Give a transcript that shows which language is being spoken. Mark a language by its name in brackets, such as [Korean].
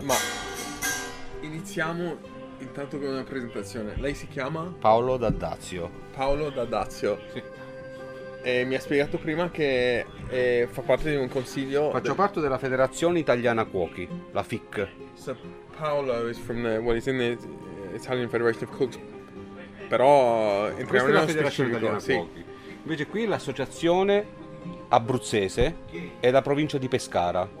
[Italian] Ma iniziamo intanto con una presentazione. Lei si chiama? Paolo D'Addazio. Paolo D'Addazio. Sì. E mi ha spiegato prima che fa parte di un consiglio. Faccio parte della Federazione Italiana Cuochi, la FIC. [English] So Paolo is from the, well, he's in the Italian Federation of Cooks. [Italian] Però entriamo nella Federazione Italiana Cuochi. Sì. Invece qui l'associazione abruzzese è la provincia di Pescara.